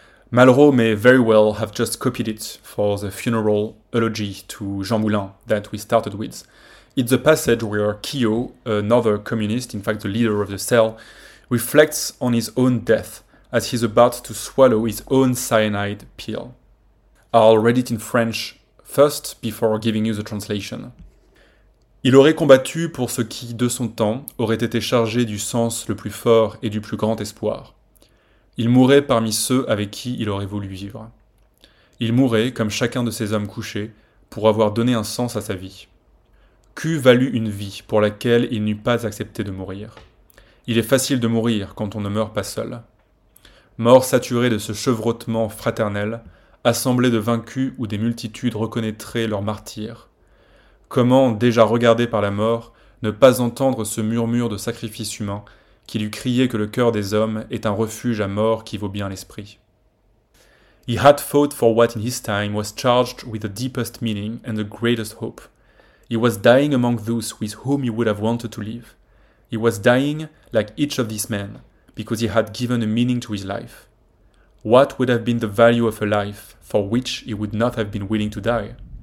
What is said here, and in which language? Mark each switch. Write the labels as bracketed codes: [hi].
[en] Malraux may very well have just copied it for the funeral eulogy to Jean Moulin that we started with. It's a passage where Kyo, another communist, in fact the leader of the cell, reflects on his own death as he's about to swallow his own cyanide pill. I'll read it in French first before giving you the translation. [fr] Il aurait combattu pour ce qui, de son temps, aurait été chargé du sens le plus fort et du plus grand espoir. Il mourait parmi ceux avec qui il aurait voulu vivre. Il mourait, comme chacun de ces hommes couchés, pour avoir donné un sens à sa vie. Qu'eût valu une vie pour laquelle il n'eût pas accepté de mourir. Il est facile de mourir quand on ne meurt pas seul. Mort saturée de ce chevrotement fraternel, assemblée de vaincus où des multitudes reconnaîtraient leurs martyrs. Comment, déjà regardé par la mort, ne pas entendre ce murmure de sacrifice humain qui lui criait que le cœur des hommes est un refuge à mort qui vaut bien l'esprit. [en] He had fought for what in his time was charged with the deepest meaning and the greatest hope. He was dying among those with whom he would have wanted to live. He was dying like each of these men, because he had given a meaning to his life. What would have been the value of a life for which he would not have been willing to die?